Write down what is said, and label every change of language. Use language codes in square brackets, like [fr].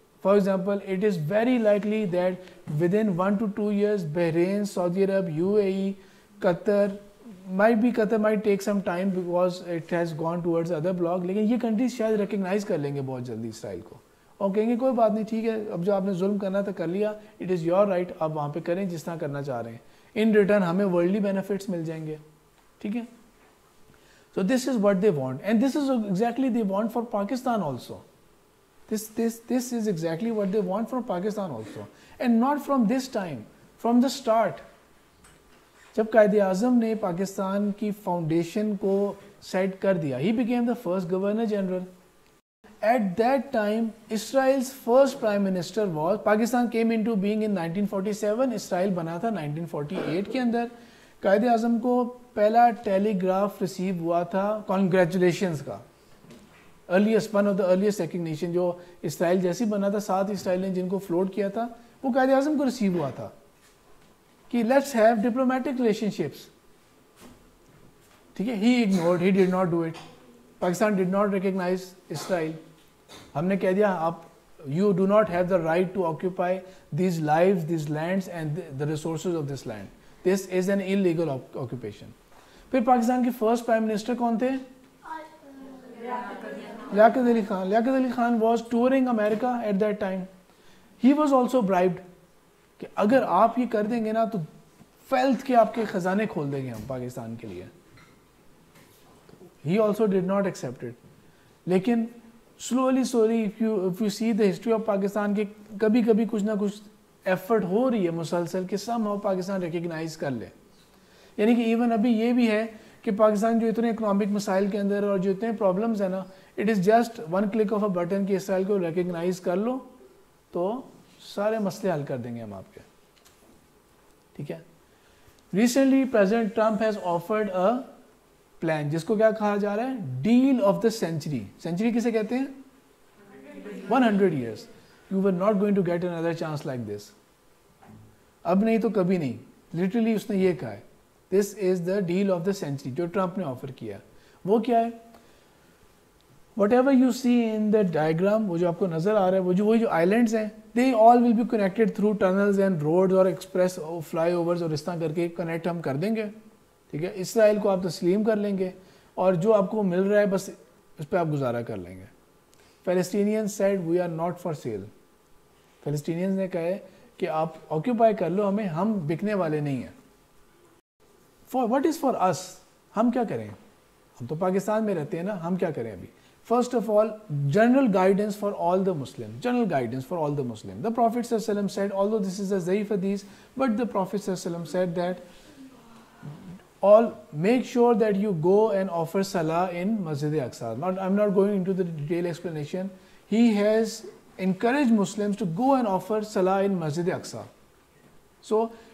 [en] for example, it is very likely that with in 1 to 2 years Bahrain, سعودی عرب, U A E, Qatar, might be Qatar might take some time because it has gone towards other bloc, [ur] لیکن یہ countries شاید recognise کر لیں گے بہت جلدی اسرائیل کو اور کہیں گے کوئی بات نہیں, ٹھیک ہے, اب جو آپ نے ظلم کرنا تھا کر لیا, [en] it is your right, [ur] آپ وہاں پہ کریں جس طرح کرنا چاہ رہے ہیں, [en] in return [ur] ہمیں ورلڈلی بینیفٹس مل جائیں گے, ٹھیک ہے. [en] So this is what they want, and this is exactly they want for Pakistan also, this is exactly what they want from Pakistan also, and not from this time, from the start. [ur] جب قائد اعظم نے پاکستان کی foundation کو set کر دیا, [en] He became the first governor general. At that time Israel's first prime minister was, Pakistan came in to being in 1947, [ur] اسرائیل بنا تھا 1948 کے اندر. قائد اعظم کو پہلا ٹیلی گراف ریسیو ہوا تھا کانگریچولیشنز کا, earliest, [en] one of the earliest recognition, [ur] جو اسرائیل جیسی بنا تھا, سات اسرائیل نے جن کو فلوٹ کیا تھا, وہ قائد اعظم کو ریسیو ہوا تھا کہ [en] let's have diplomatic relationships, [ur] ٹھیک ہے. [en] He ignored, he did not do it. Pakistan did not recognise Israel. [ur] ہم نے کہہ دیا, آپ, [en] You do not have the right to occupy these life, these lands and the resources of this land, this is an illegal occupation. [ur] پھر پاکستان کے first prime minister کون تھے؟ Liaquat Ali Khan. [en] Liaquat Ali Khan was touring America at that time. He was also bribed [ur] کہ اگر آپ یہ کر دیں گے نا تو ویلتھ کے آپ کے خزانے کھول دیں گے ہم پاکستان کے لیے. [en] He also did not accept it. [ur] لیکن slowly slowly, [en] if you see the history of Pakistan, [ur] کے کبھی کبھی کچھ نہ کچھ ایفرٹ ہو رہی ہے مسلسل کہ سم ہاؤ پاکستان ریکگنائز کر لے. یعنی کہ ایون ابھی یہ بھی ہے کہ پاکستان جو اتنے اکنامک مسائل کے اندر اور جو اتنے پرابلمس ہیں نا, [en] it is just one click of a button [ur] کہ اسرائیل کو ریکگنائز کر لو تو سارے مسئلے حل کر دیں گے ہم آپ کے, ٹھیک ہے. [en] recently President Trump has offered a plan [ur] جس کو کیا کہا جا رہا ہے, [en] Deal of the century. [ur] Century کسے کہتے ہیں؟ 100 years. [en] you were not going to get another chance like this, [ur] اب نہیں تو کبھی نہیں. لٹرلی اس نے یہ کہا ہے, [en] this is the deal of the century [ur] جو ٹرمپ نے آفر کیا. وہ کیا ہے؟ [en] whatever you see in the diagram, [ur] وہ جو آپ کو نظر آ رہا ہے, وہ جو آئیلینڈس ہیں, [en] they all will be connected through tunnels and road اور express flyovers, [ur] اور اس طرح کر کے کنیکٹ ہم کر دیں گے, ٹھیک ہے. اسرائیل کو آپ تسلیم کر لیں گے اور جو آپ کو مل رہا ہے بس اس پہ آپ گزارا کر لیں گے. [en] Palestinian said we are not for sale. [ur] فلسطینین نے کہے کہ آپ آکیوپائی کر لو ہمیں, ہم بکنے والے نہیں ہیں. [en] for what is for us, [ur] ہم کیا کریں؟ ہم تو پاکستان میں رہتے ہیں نا, ہم کیا کریں ابھی؟ [en] First of all, general guidance for all the Muslims. General guidance for all the Muslims. The Prophet ﷺ said, although this is a Zayf Hadith, but the Prophet ﷺ said that all make sure that you go and offer Salah in Masjid Al-Aqsa. I'm not going into the detailed explanation. He has encouraged Muslims to go and offer Salah in Masjid Al-Aqsa. So,